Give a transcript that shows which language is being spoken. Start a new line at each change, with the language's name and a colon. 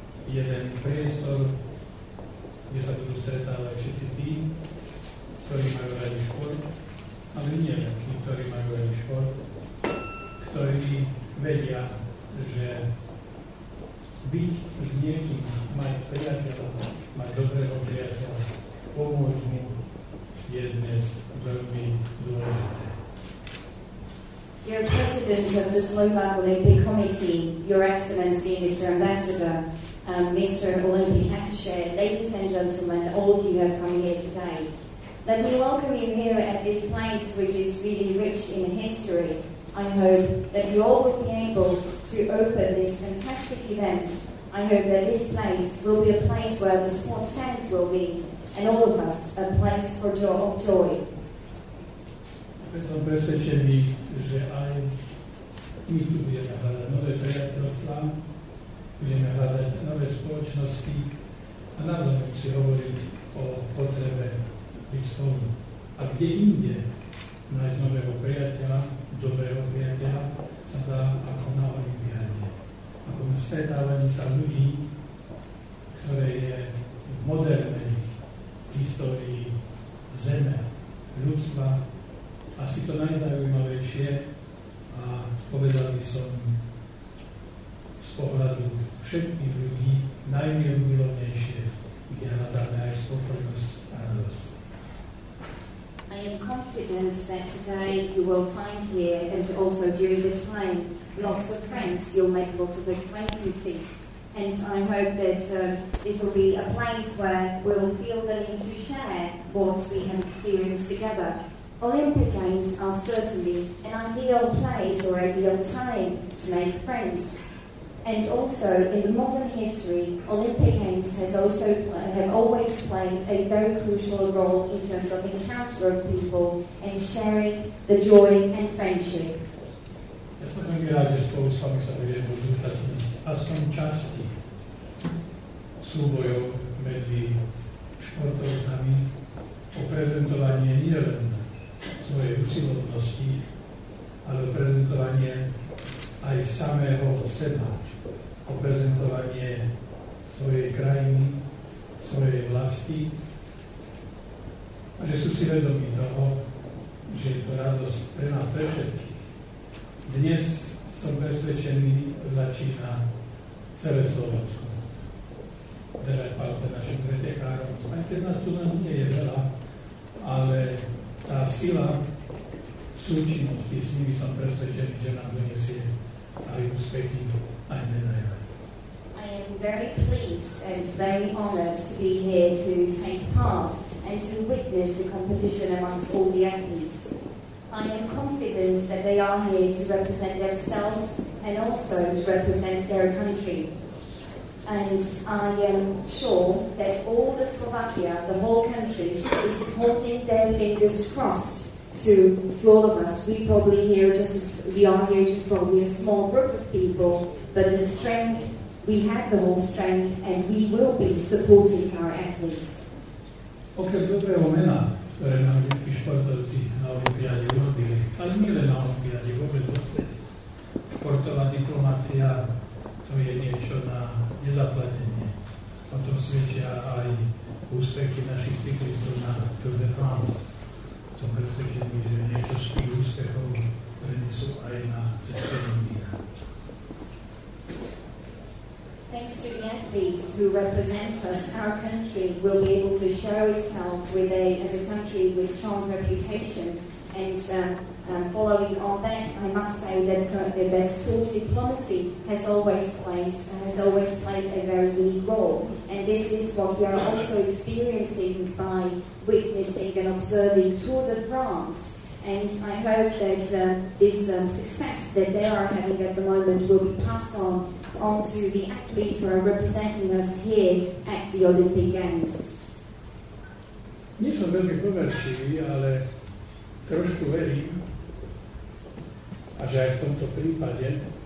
Slovak: jeden priestor, kde sa budú stretávať všetci tí, ktorí majú radi šport, ale nie tí, ktorí majú radi šport, ktorí vedia, že byť s niekým, mať priateľa, mať dobrého priateľa, pomôcť mu, je dnes veľmi dôležité.
English: Your President of the Slovak Olympic Committee, Your Excellency, Mr. Ambassador, Mr. Olympic Attaché, ladies and gentlemen, all of you have come here today. Let me welcome you here at this place which is really rich in history. I hope that you all will be able to open this fantastic event. I hope that this place will be a place where the sports fans will meet, and all of us a place for joy.
Slovak: Som presvedčený, že aj my tu budeme hľadať nové priateľstvá, budeme hľadať nové spoločnosti a navzájom si hovoriť o potrebe byť spolu. A kde inde nájsť nového priateľa, dobrého priateľa, sa dá ako na olympiáde. Ako na stretávaní sa ľudí, ktoré je v modernej histórii zeme, ľudstva, asi to najzaujímavejšie a povedal by som z pohľadu všetkých ľudí najmilovnejšie, kde hľadáme aj spokojnosť a radosť.
English: I am confident that today you will find here and also during the time lots of friends, you'll make lots of acquaintances and I hope that this will be a place where we will feel the need to share what we have experienced together. Olympic Games are certainly an ideal place or ideal time to make friends. And also, in modern history, Olympic Games have always played a very crucial role in terms of the encounter of people and sharing the joy and friendship.
Slovak: Ja som veľmi rád, že spolu s vami sa budeme zúčastniť aspoň časti súbojov medzi športovcami o prezentovanie nielen svojej usilovnosti, ale o prezentovanie aj samého seba, o prezentovanie svojej krajiny, svojej vlasti a že sú si vedomí toho, že je to radosť pre nás, pre všetkých. Dnes som presvedčený, začína celé Slovensko. Držať palce našim pretekárom, aj keď nás tu nám nie je veľa, ale tá sila súčinnosti, s nimi som presvedčený, že nám donesie aj úspechy, aj medaile.
English: I am very pleased and very honored to be here to take part and to witness the competition amongst all the athletes. I am confident that they are here to represent themselves and also to represent their country. And I am sure that all the Slovakia, the whole country, is holding their fingers crossed to all of us. We are here just probably a small group of people, but the strength, we have the whole strength, and we will be supporting our athletes.
Slovak: Okrem dobrého mena, ktoré nám vždy športovci na olympiáde urobili, ale nie len na olympiáde, vôbec vo svete. Športová diplomácia, to je niečo na nezaplatenie. O tom svedčia aj úspechy našich cyklistov na Tour de France. Som presvedčený, že niečo z tých úspechov prenesú aj na cestu Indie.
English: Thanks to the athletes who represent us, our country will be able to show itself as a country with strong reputation. Following on that, I must say that sports diplomacy has always played a very unique role. And this is what we are also experiencing by witnessing and observing Tour de France. And I hope that this success that they are having at the moment will be passed on to the athletes who are representing us here at the Olympic Games.
Slovak: Nie som veľmi poverčivý, ale trošku verím, a že aj v tomto prípade